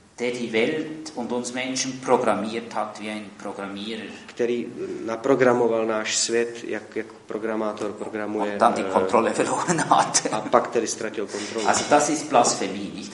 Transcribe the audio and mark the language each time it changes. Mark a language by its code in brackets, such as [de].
[de] Der die Welt und uns Menschen programmiert hat wie ein Programmierer. [cs] Který naprogramoval náš svět, jak programátor programuje. [de] Und dann die Kontrolle verloren hat. [cs] A pak který ztratil kontrolu. [de] Also das ist Blasphemie, nicht?